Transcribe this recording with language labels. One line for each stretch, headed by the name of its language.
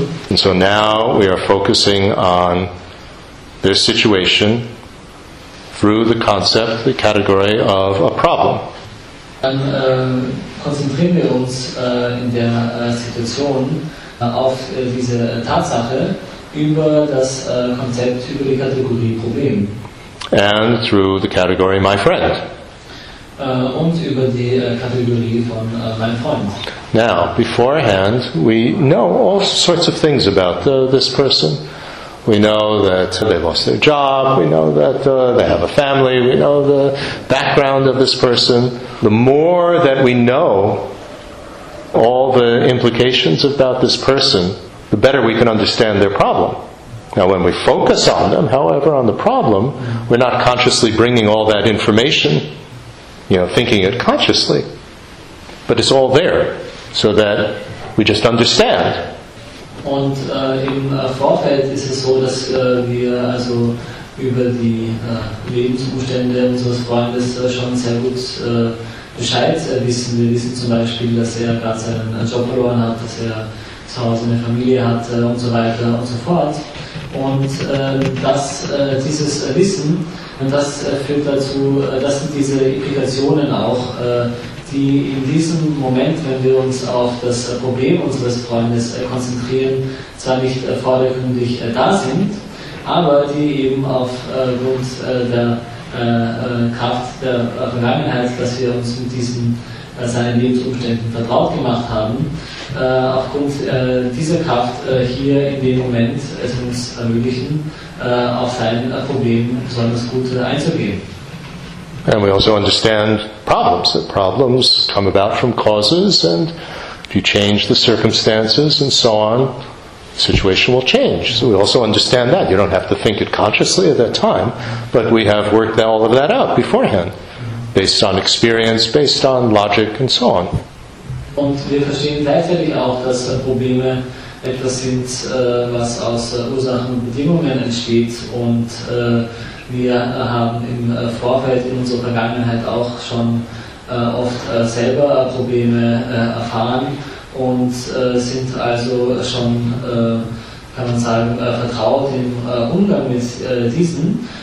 English: And so now we are focusing on their situation through the concept, the category of a problem.
German: Dann konzentrieren wir uns in der Situation auf diese Tatsache über das Konzept, über die Kategorie Problem.
English: And through the category my friend.
German: Und über die Kategorie von meinem Freund.
English: Now, beforehand, we know all sorts of things about this person. We know that they lost their job. We know that they have a family. We know the background of this person. The more that we know all the implications about this person, the better we can understand their problem. Now, when we focus on them, however, on the problem, we're not consciously bringing all that information, you know, thinking it consciously. But it's all there. So that we just understand.
German: Und im Vorfeld ist es so, dass wir also über die Lebensumstände unseres Freundes schon sehr gut Bescheid wissen. Wir wissen zum Beispiel, dass er gerade seinen Job verloren hat, dass er zu Hause eine Familie hat und so weiter und so fort. Und dass dieses Wissen, das führt dazu, dass diese Implikationen auch die in diesem Moment, wenn wir uns auf das Problem unseres Freundes konzentrieren, zwar nicht vordergründig da sind, aber die eben aufgrund der Kraft der Vergangenheit, dass wir uns mit diesen seinen Lebensumständen vertraut gemacht haben, aufgrund dieser Kraft hier in dem Moment es uns ermöglichen, auf sein Problem besonders gut einzugehen.
English: And we also understand problems, that problems come about from causes, and if you change the circumstances and so on, the situation will change. So we also understand that. You don't have to think it consciously at that time, but we have worked all of that out beforehand, based on experience, based on logic, and so on.
German: Und wir verstehen gleichzeitig auch, dass Probleme etwas sind, was aus Ursachen und Bedingungen entsteht und wir haben im Vorfeld in unserer Vergangenheit auch schon oft selber Probleme erfahren und sind also schon, kann man sagen, vertraut im Umgang mit diesen.